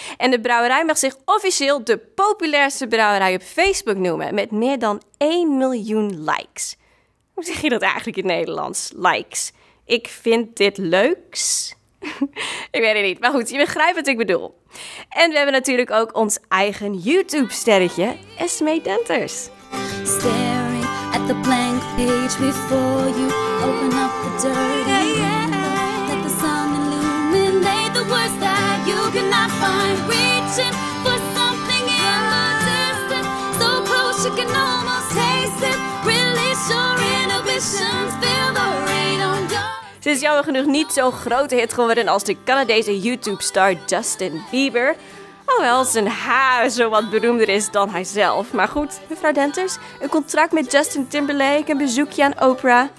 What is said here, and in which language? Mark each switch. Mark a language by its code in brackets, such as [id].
[nl] En de brouwerij mag zich officieel de populairste brouwerij op Facebook noemen met meer dan 1 miljoen likes. Hoe zeg je dat eigenlijk in Nederlands? Likes. Ik vind dit leuks. Ik weet het niet, maar goed, je begrijpt wat ik bedoel. En we hebben natuurlijk ook ons eigen YouTube-sterretje, Esmee Denters. [en] Staring at the blank page before you. Open up the dirty air. Let the sun illuminate the words that you cannot find. Reaching for something in the distance. So close you can almost taste it. Release your inhibitions. Feel the rain on your. [nl] Ze is jammer genoeg niet zo'n grote hit geworden als de Canadese YouTube-star Justin Bieber. Alhoewel zijn haar zo wat beroemder is dan hij zelf. Maar goed, mevrouw Denters, een contract met Justin Timberlake, een bezoekje aan Oprah.